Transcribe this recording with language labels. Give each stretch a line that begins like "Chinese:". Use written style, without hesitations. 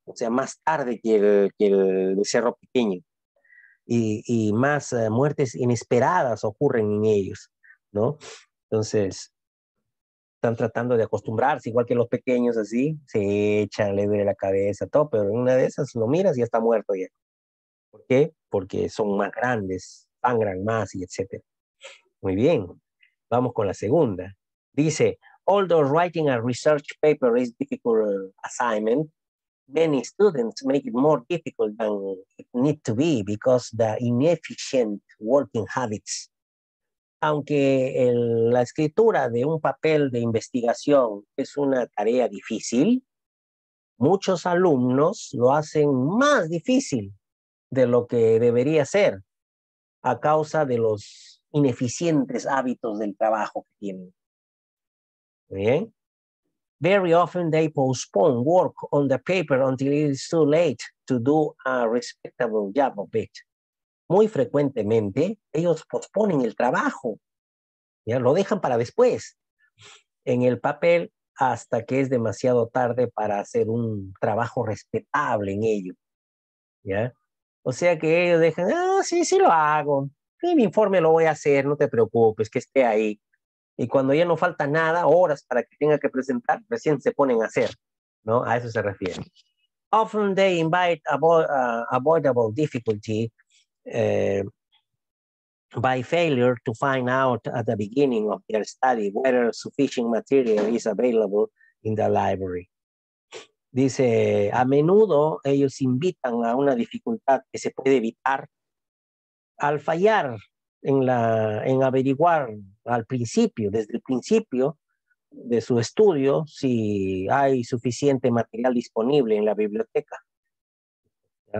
Spanish: O sea, más tarde que el becerro pequeño. Y más muertes inesperadas ocurren en ellos, ¿no? Entonces, están tratando de acostumbrarse, igual que los pequeños, así, se echan, le duele la cabeza, todo, pero en una de esas lo miras y ya está muerto ya. ¿Por qué? Porque son más grandes, sangran más y etcétera. Muy bien, vamos con la segunda. Dice,
English: although writing a research paper is difficult assignment, many students make it more difficult than it need to be because the inefficient working habits.
Spanish: Aunque la escritura de un papel de investigación es una tarea difícil, muchos alumnos lo hacen más difícil de lo que debería ser a causa de los ineficientes hábitos del trabajo que tienen. ¿Bien?
English: Very often they postpone work on the paper until it is too late to do a respectable job of it.
Spanish: Muy frecuentemente, ellos posponen el trabajo. Ya lo dejan para después. En el papel, hasta que es demasiado tarde para hacer un trabajo respetable en ello. ¿Ya? O sea que ellos dejan, sí, sí lo hago. Y mi informe lo voy a hacer, no te preocupes, que esté ahí. Y cuando ya no falta nada, horas para que tenga que presentar, recién se ponen a hacer, ¿no? A eso se refiere.
English: Often they invite avoidable difficulty by failure to find out at the beginning of their study whether sufficient material is available in the library.
Spanish: Dice, a menudo ellos invitan a una dificultad que se puede evitar al fallar en averiguar al principio, desde el principio de su estudio, si hay suficiente material disponible en la biblioteca. ¿Ya?